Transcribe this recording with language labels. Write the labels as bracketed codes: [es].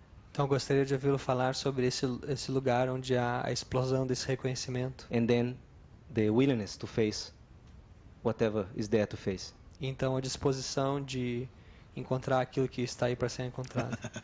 [pt] Então gostaria de ouvi-lo falar sobre esse lugar onde há a explosão desse reconhecimento. [en] And then the willingness to face whatever is there to face. [pt] Então a disposição de encontrar aquilo que está aí para ser encontrado.